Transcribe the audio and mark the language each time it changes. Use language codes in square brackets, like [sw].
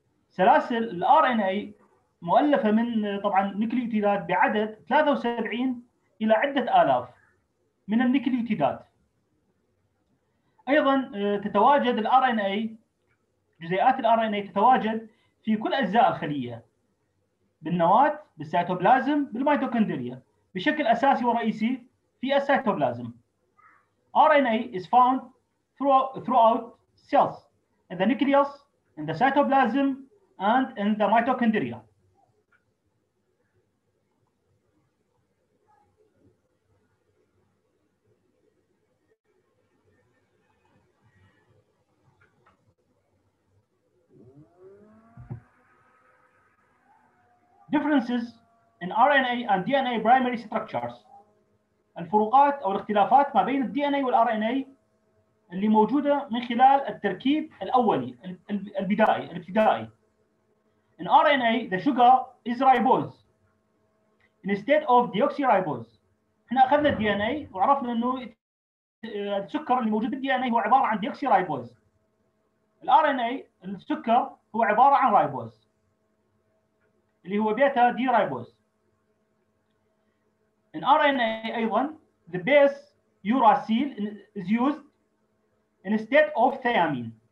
[ar] سلاسل ال RNA مؤلفة من طبعا نيكليوتيدات بعدد 73 إلى عدة آلاف من النيكليوتيدات. أيضا تتواجد ال RNA جزيئات ال RNA تتواجد في كل أجزاء الخلية بالنواة، بالسيتوبلازم، بالميتوكوندريا بشكل أساسي ورئيسي في السيتوبلازم. [en] RNA is found throughout cells in the nucleus, in the cytoplasm, and in the mitochondria. Differences in RNA and DNA primary structures. [ar] الفروقات أو الاختلافات ما بين الـ DNA والـ RNA اللي موجودة من خلال التركيب الأولي البدائي الابتدائي. [en] In RNA, the sugar is ribose instead of deoxyribose. [ar] إحنا أخذنا الـ DNA وعرفنا إنه السكر اللي موجود بالـ DNA هو عبارة عن deoxyribose. الـ RNA السكر هو عبارة عن ribose. اللي هو بيتا دي رايبوز. [en] In RNA أيضا the base uracil is used instead of thiamine.